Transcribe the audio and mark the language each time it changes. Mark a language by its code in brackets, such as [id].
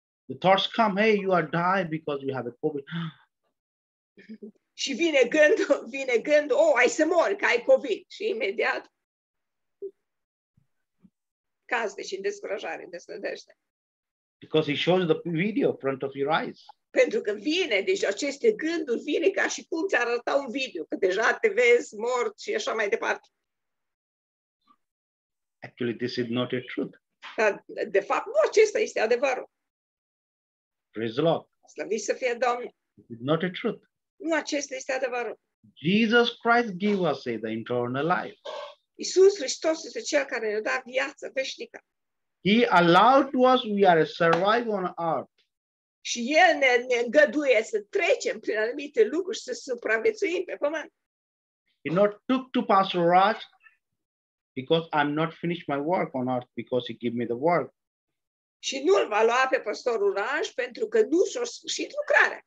[en] The thoughts come, hey, you are dying because you have a COVID. [ro] Și vine gândul, oh, ai să mori, că ai COVID. Și imediat, caz, deci, în descurajare, în deslădește. [en] Because he shows the video in front of your eyes. [ro] Pentru că vine, deci aceste gânduri vine ca și cum ți-ar arăta un video, că deja te vezi mort și așa mai departe. [en] Actually, this is not a truth. [ro] Dar, de fapt, nu acesta este adevărul. [en] Praise the Lord. [ro] Slăviți să fie Domnul. [en] This is not a truth. [ro] Nu, acesta este adevărul. [en] Jesus Christ gave us the eternal life. [ro] Iisus Hristos este cel care ne-a dat viața veșnică. [en] He allowed to us, we are a survive on earth. [ro] Și El ne îngăduie să trecem prin anumite lucruri și să supraviețuim pe pământ. [en] He not took to Pastor Raj because I'm not finished my work on earth because he gave me the work. [ro] Și nu îl va lua pe pastorul Raj pentru că nu s-a sfârșit lucrarea.